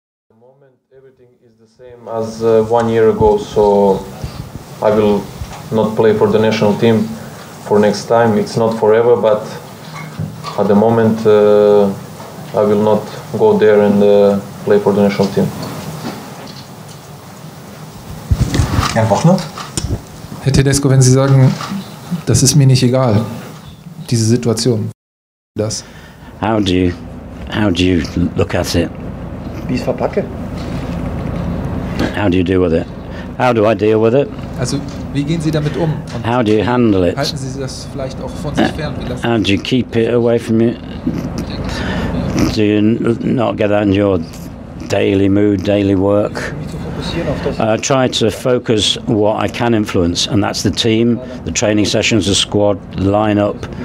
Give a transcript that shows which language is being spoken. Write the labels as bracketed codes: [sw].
[en] At the moment, everything is the same as 1 year ago, so I will not play for the national team for next time. It's not forever, but at the moment, I will not go there and play for the national team. [de] Jan Wochnert. Herr Tedesco, wenn Sie sagen, das ist mir nicht egal, diese Situation, das. [en] How do you look at it? [de] Wie ich verpacke? [en] How do you deal with it? How do I deal with it? [de] Also, wie gehen Sie damit um? [en] Und how do you handle it? [de] Halten Sie das vielleicht auch von sich fern? Wie [en] how do you keep it away from you? Do you not get that in your daily mood, daily work? I try to focus what I can influence, and that's the team, the training sessions, the squad, the lineup.